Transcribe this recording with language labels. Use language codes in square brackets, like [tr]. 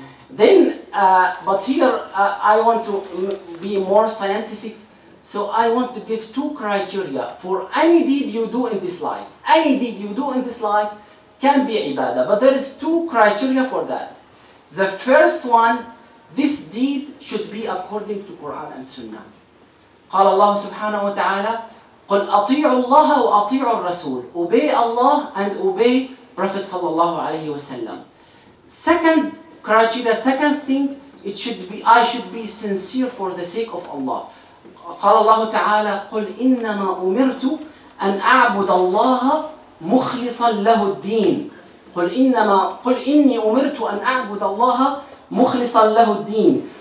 [en] Then, but here I want to be more scientific, so I want to give two criteria for any deed you do in this life. Any deed you do in this life can be ibadah, but there is two criteria for that. The first one, this deed should be according to Quran and Sunnah. [ar] قال الله سبحانه وتعالى قل أطيعوا الله وأطيعوا الرسول. [en] Obey Allah and obey Prophet [ar] صلى الله عليه وسلم. [en] Second criteria, second thing, it should be, I should be sincere for the sake of Allah. [ar] قال الله تعالى قل إنما أمرت أن أعبد الله مخلصا له الدين. قل إنما قل إني أمرت أن أعبد الله مخلصا له الدين.